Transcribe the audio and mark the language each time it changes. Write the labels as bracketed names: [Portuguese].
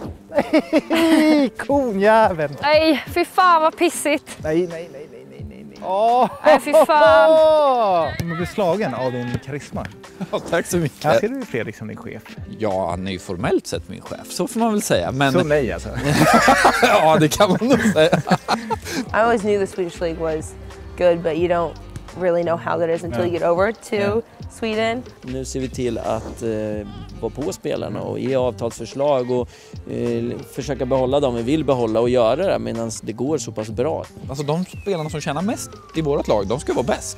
[Swedish] Nej, konjäveln! Nej, fy fan vad pissigt! Nej. Åh, fy fan! Du kommer bli slagen av din karisma. Oh, tack så mycket. Här ser du Fredrik som din chef. Ja, han är ju formellt sett min chef, så får man väl säga. Men... Så nej alltså. Ja, det kan man nog säga. [English] I always knew the Swedish League was good, but you don't really know how that is until you get over to Sweden. [Swedish] Nu ser vi till att vara på spelarna och ge avtalsförslag och försöka behålla dem vi vill behålla och göra det medan det går så pass bra. Alltså de spelarna som tjänar mest i vårt lag, de ska vara bäst.